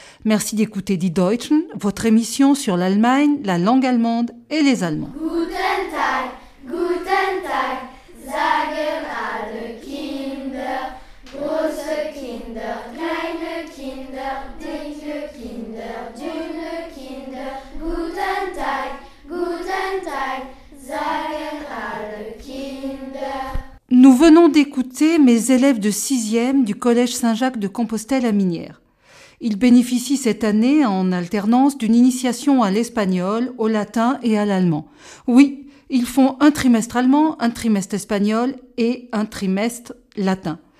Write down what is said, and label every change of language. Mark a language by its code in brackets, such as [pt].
[fr] Merci d'écouter Die Deutschen, votre émission sur l'Allemagne, la langue allemande et les Allemands. [de] Guten Tag, guten Tag, sagen alle Kinder, große Kinder, kleine Kinder, dicke Kinder, dünne Kinder. Guten Tag, guten Tag, sagen alle Kinder. [fr] Nous venons d'écouter mes élèves de 6e du Collège Saint-Jacques de Compostelle à Minières. Il bénéficie cette année en alternance d'une initiation à l'espagnol, au latin et à l'allemand. Oui, ils font un trimestre allemand, un trimestre espagnol et un trimestre latin.